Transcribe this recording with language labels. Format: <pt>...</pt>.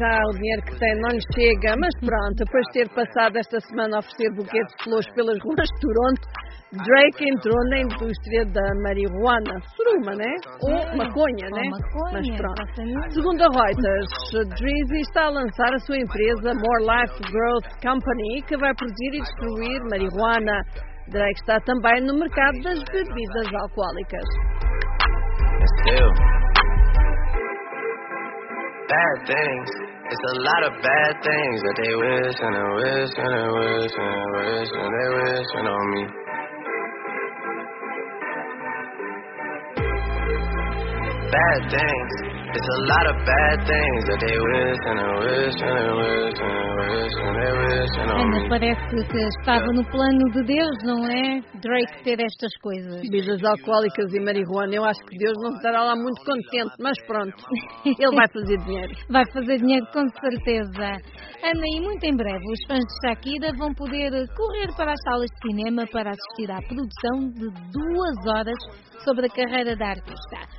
<pt>Ah, o dinheiro que tem não lhe chega, mas pronto, depois de ter passado esta semana a oferecer buquê de flores pelas ruas de Toronto, Drake entrou na indústria da marihuana. Suruma, né? Ou maconha, né? Mas pronto. Segundo a Reuters, Drizzy está a lançar a sua empresa More Life Growth Company, que vai produzir e distribuir marihuana. Drake está também no mercado das bebidas alcoólicas.</pt> <en>Still, bad things, it's a lot of bad things that they wish and they wish and they wish and they wish and they wish and on me. Bad things, it's a lot of bad things that they wish and they wish and they wish and they wish and they wish and on me.</en> <pt>Mas parece que você estava no plano de Deus, não é? Drake ter estas coisas. Bebidas alcoólicas e marihuana, eu acho que Deus não estará lá muito contente, mas pronto, ele vai fazer dinheiro. Vai fazer dinheiro com certeza. Ana, e muito em breve os fãs de Shakira vão poder correr para as salas de cinema para assistir à produção de 2 horas sobre a carreira da artista.</pt>